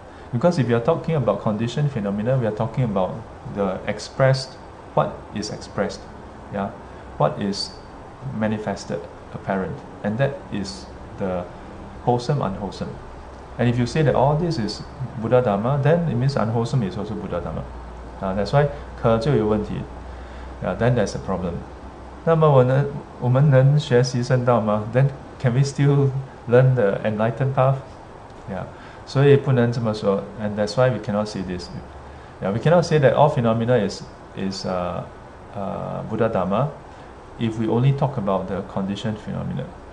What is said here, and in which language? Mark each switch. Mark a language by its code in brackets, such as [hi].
[en] Because if you are talking about conditioned phenomena, we are talking about the expressed, what is expressed, yeah, what is manifested, apparent, and that is the wholesome, unwholesome. And if you say that all this is Buddha Dhamma, then it means unwholesome is also Buddha Dhamma. That's why [zh] 可就有问题, [en] yeah, then there's a problem. [zh] 那么我们能学习圣道吗? [en] Then can we still learn the enlightened path? Yeah. [zh] 所以不能这么说, [en] and that's why we cannot say this. Yeah, we cannot say that all phenomena is Buddha Dhamma if we only talk about the conditioned phenomena.